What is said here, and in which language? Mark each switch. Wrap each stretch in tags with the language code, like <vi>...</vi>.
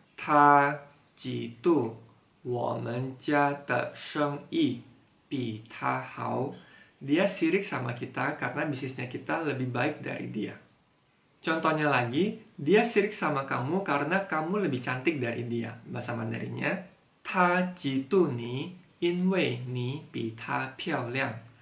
<zh>他嫉妒我们家的生意比他好.</zh> <id>Dia sirik sama kita karena bisnisnya kita lebih baik dari dia. Contohnya lagi, dia sirik sama kamu karena kamu lebih cantik dari dia. Bahasa Mandarinnya,</id> <zh>他嫉妒你因为你比他漂亮.</zh>